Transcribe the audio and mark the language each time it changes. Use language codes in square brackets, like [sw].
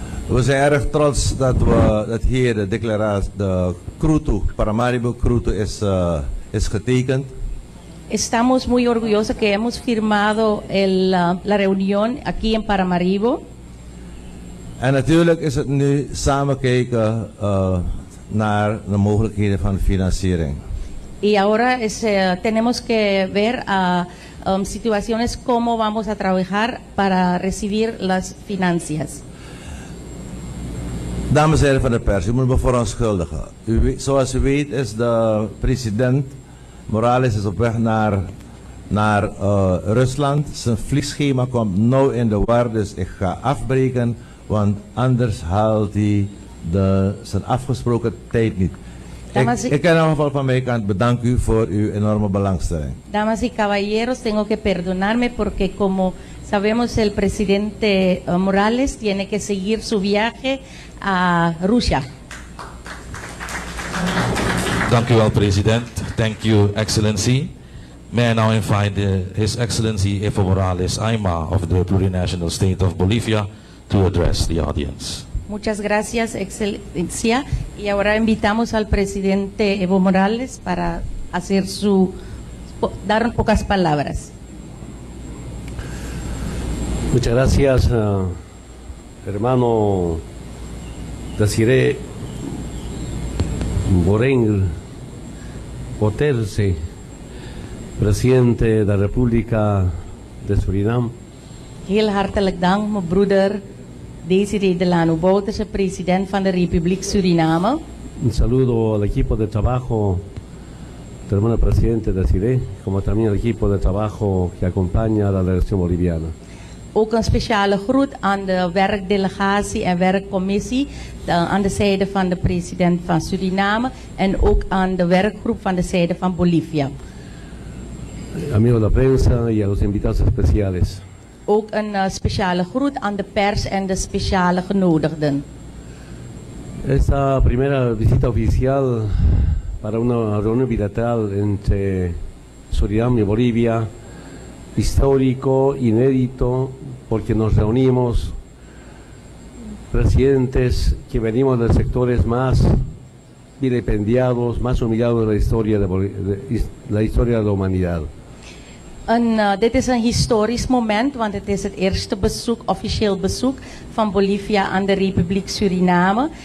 [nl] We zijn erg trots dat we dat hier de declaratie de Kruto, Paramaribo Kruto is getekend. [es] Estamos muy orgullosos que hemos firmado la reunión aquí en Paramaribo. [nl] En natuurlijk is het nu samen kijken naar de mogelijkheden van financiering. [es] Y ahora tenemos que ver situaciones cómo vamos a trabajar para recibir las financias. [nl] Dames en heren van de pers, u moet me verontschuldigen. Zoals u weet is de president Morales is op weg naar Rusland. Zijn vliegschema komt nu in de war, dus ik ga afbreken, want anders haalt hij zijn afgesproken tijd niet. Ik kan in ieder geval van mijn kant bedanken u voor uw enorme belangstelling. [es] Damas y caballeros, tengo que perdonarme porque como sabemos el presidente Morales tiene que seguir su viaje a Rusia. [nl] Dank u wel, president. [en] Thank you, Excellency. May I now invite His Excellency Evo Morales Ayma of the Plurinational State of Bolivia to address the audience. [es] Muchas gracias, Excelencia. Y ahora invitamos al presidente Evo Morales para hacer dar pocas palabras. Muchas gracias, hermano Desiree Borengel. Poterse, presidente de la República de Surinam. [nl] Heel hartelijk dank, mijn broeder Desiree Delano Bouterse, president van de Republiek Suriname. [es] Un saludo al equipo de trabajo del hermano presidente Desiree, como también al equipo de trabajo que acompaña a la delegación boliviana. [nl] Ook een speciale groet aan de werkdelegatie en werkcommissie aan de zijde van de president van Suriname en ook aan de werkgroep van de zijde van Bolivia. [es] Amigo de prensa y a los invitados especiales. [nl] Ook een speciale groet aan de pers en de speciale genodigden. [es] Esta primera visita oficial para una reunión bilateral entre Suriname y Bolivia. Histórico, inédito, porque nos reunimos presidentes que venimos de sectores más vilipendiados, más humillados de la historia de la historia de la humanidad. [nl] Dit is een historisch moment, want het is het eerste bezoek, officieel bezoek van Bolivia aan de Republiek Suriname.